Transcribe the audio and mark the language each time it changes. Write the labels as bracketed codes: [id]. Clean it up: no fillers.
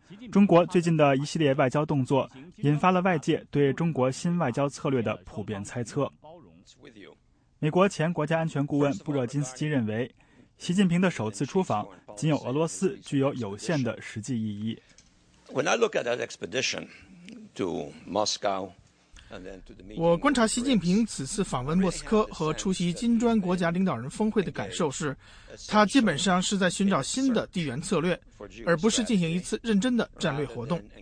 [zh] 中国最近的一系列外交动作引发了外界对中国新外交策略的普遍猜测。美国前国家安全顾问布热津斯基认为，习近平的首次出访仅有俄罗斯具有有限的实际意义。 [en] When I look at that expedition to Moscow, [zh] 我观察习近平此次访问莫斯科和出席金砖国家领导人峰会的感受是，他基本上是在寻找新的地缘策略，而不是进行一次认真的战略活动。